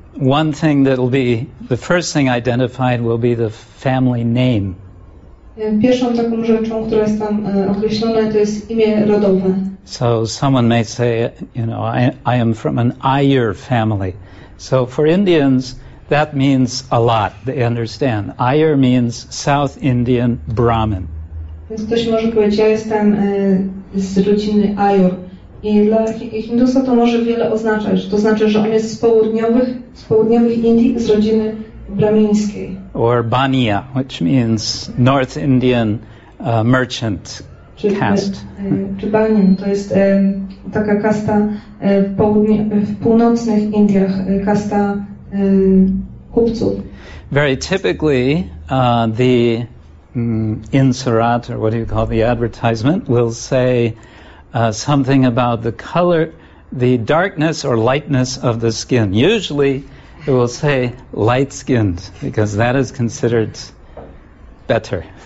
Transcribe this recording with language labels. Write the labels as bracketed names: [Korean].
[English] One thing that will be, the first thing identified will be the family name. [Polish] Pierwszą taką rzeczą, która jest tam określona, to jest imię rodowe. [English] So someone may say, you know, I am from an Iyer family. So for Indians, that means a lot. They understand. Iyer means South Indian Brahmin. [Polish] Więc ktoś może powiedzieć, ja jestem z rodziny Iyer. I dla Hindusa to może wiele oznaczać. To znaczy, że on jest z południowych Indii, z rodziny brahmińskiej. [English] Or Baniya, which means North Indian merchant. [Polish] Czy Banyan, to jest taka kasta w północnych Indiach, kasta kupców. [English] Very typically, the insert, or what do you call the advertisement, will say something about the color, the darkness or lightness of the skin. Usually, it will say light-skinned, because that is considered better.